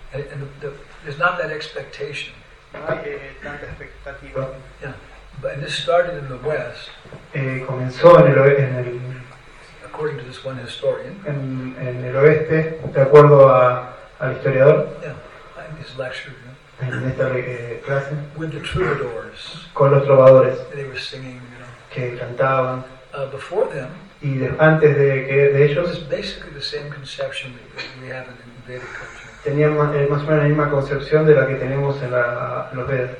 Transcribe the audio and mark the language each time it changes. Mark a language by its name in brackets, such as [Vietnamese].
[English] And there's not that expectation. [Spanish] No hay tanta expectativa. [English] Yeah. But this started in the West. [Spanish] Comenzó en el [English] according to this one historian. [Spanish] En el oeste, de acuerdo al historiador. [English] Yeah. In his lecture. You know, [Spanish] en esta clase. [English] With the troubadours. [Spanish] Con los trovadores. [English] They were singing, you know. [Spanish] Que cantaban. [English] Before them. [Spanish] Y antes de ellos, [English] it's basically the same conception that we have in Vedic culture. [Spanish] Tenían más o menos la misma concepción de la que tenemos en los Vedas.